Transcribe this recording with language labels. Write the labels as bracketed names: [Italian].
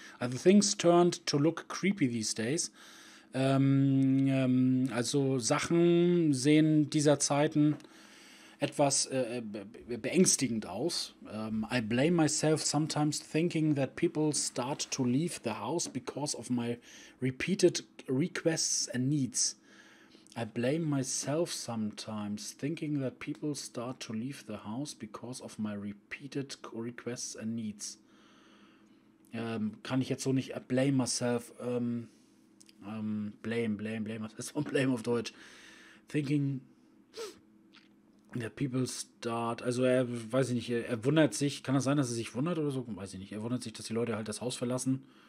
[English] Also things turned to look creepy these days. [German] Also Sachen sehen dieser Zeiten etwas beängstigend aus. [English] I blame myself sometimes thinking that people start to leave the house because of my repeated requests and needs. I blame myself sometimes thinking that people start to leave the house because of my repeated requests and needs. [German] Kann ich jetzt so nicht [English] I blame myself... [German] Blame. Was ist von Blame auf Deutsch? [English] Thinking that people start... [German] Also er, weiß ich nicht, er wundert sich. Kann das sein, dass er sich wundert oder so? Weiß ich nicht. Er wundert sich, dass die Leute halt das Haus verlassen.